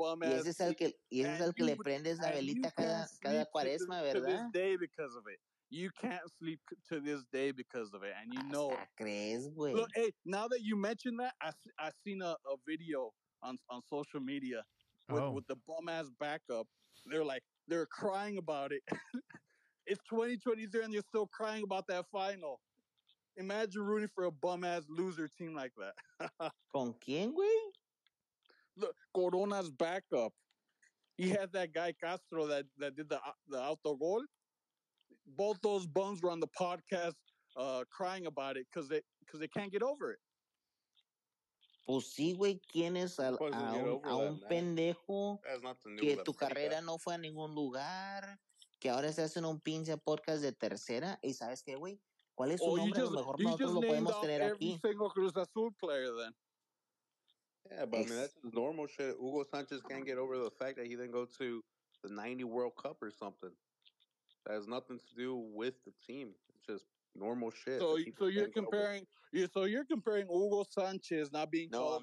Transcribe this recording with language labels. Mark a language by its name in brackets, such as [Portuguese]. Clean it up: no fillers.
[Spanish] Y ese es el que le prendes la velita cada cuaresma, ¿verdad? [English] You can't sleep to this day because of it, and you know. [Spanish] ¿Crees, güey? [English] Look, hey, now that you mention that, I seen a video on social media with the bum ass backup. They're crying about it. It's 2023, and you're still crying about that final. Imagine rooting for a bum-ass loser team like that. [Spanish] ¿Con quién, güey? [English] Look, Corona's backup. He had that guy Castro that did the autogol. Both those bums were on the podcast crying about it because they can't get over it. [Spanish] Pues sí, güey. ¿Quiénes a un pendejo que tu carrera no fue a ningún lugar, que ahora se hacen un pinche podcast de tercera? ¿Y sabes qué, güey? ¿Cuál es su nombre? [English] Just, [Spanish] a lo mejor nosotros lo podemos tener aquí. [English] Single Cruz Azul player, then. Yeah, but I mean, that's just normal shit. Hugo Sanchez can't get over the fact that he didn't go to the 90 World Cup or something. That has nothing to do with the team. It's just normal shit. So you're comparing Hugo Sanchez not being called